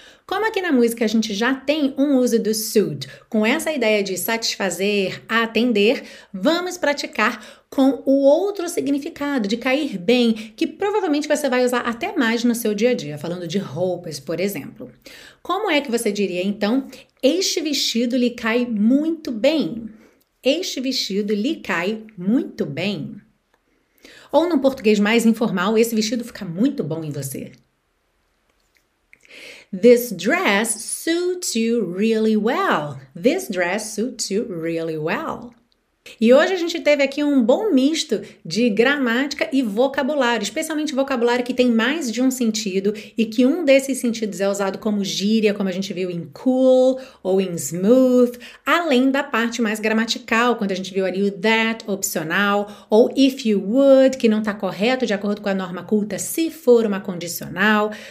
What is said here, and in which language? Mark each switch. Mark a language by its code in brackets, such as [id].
[pt] Como aqui na música a gente já tem um uso do suit com essa ideia de satisfazer, atender, vamos praticar com o outro significado de cair bem, que provavelmente você vai usar até mais no seu dia a dia, falando de roupas, por exemplo. Como é que você diria, então, este vestido lhe cai muito bem? Este vestido lhe cai muito bem? Ou num português mais informal, esse vestido fica muito bom em você. [en] This dress suits you really well. This dress suits you really well. [pt] E hoje a gente teve aqui um bom misto de gramática e vocabulário, especialmente vocabulário que tem mais de um sentido e que um desses sentidos é usado como gíria, como a gente viu em cool ou em smooth, além da parte mais gramatical, quando a gente viu ali o that opcional ou [en] if you would, [pt] que não está correto de acordo com a norma culta, se for uma condicional.